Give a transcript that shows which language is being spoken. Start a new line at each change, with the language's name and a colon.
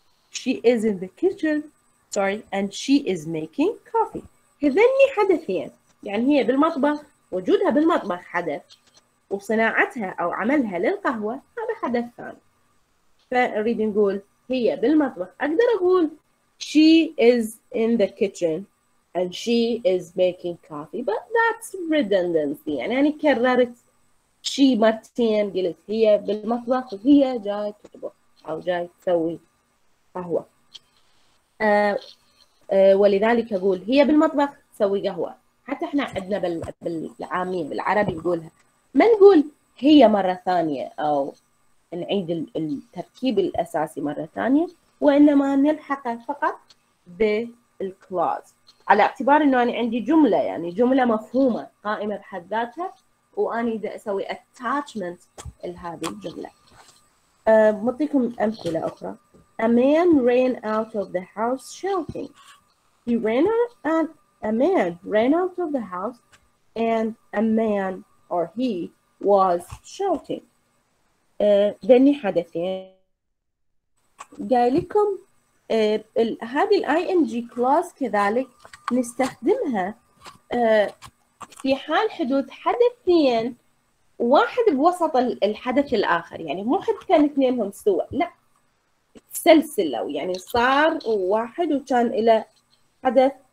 English: She is in the kitchen, sorry, and she is making coffee.
Arabic: هذني حدثين. يعني هي بالمطبخ. وجودها بالمطبخ حدث. وصناعتها أو عملها للقهوة هذا حدث ثاني. فنريد نقول هي بالمطبخ. أقدر أقول
English: she is in the kitchen. And she is making coffee, but that's redundancy.
Arabic: يعني أنا كررت شي مرتين قلت هي بالمطبخ وهي جاي تطبخ أو جاي تسوي قهوة. ولذلك أقول هي بالمطبخ تسوي قهوة. حتى إحنا عندنا بالعامية بالعربي نقولها. ما نقول هي مرة ثانية أو نعيد التركيب الأساسي مرة ثانية وإنما نلحقها فقط بالكلاوز. على اعتبار انه انا عندي جمله يعني جمله مفهومه قائمه بحد ذاتها واني بدي اسوي اتاتشمنت لهذه الجمله. بعطيكم امثله اخرى.
English: A man ran out of the house shouting. He ran out and a man ran out of the house and a man or he was shouting.
Arabic: ذني حدثين. قال لكم هذه الاي ان جي كلاوز كذلك نستخدمها في حال حدوث حدثين واحد بوسط الحدث الآخر يعني مو حد كان اثنينهم سوا لا سلسلة يعني صار واحد وكان إلى حدث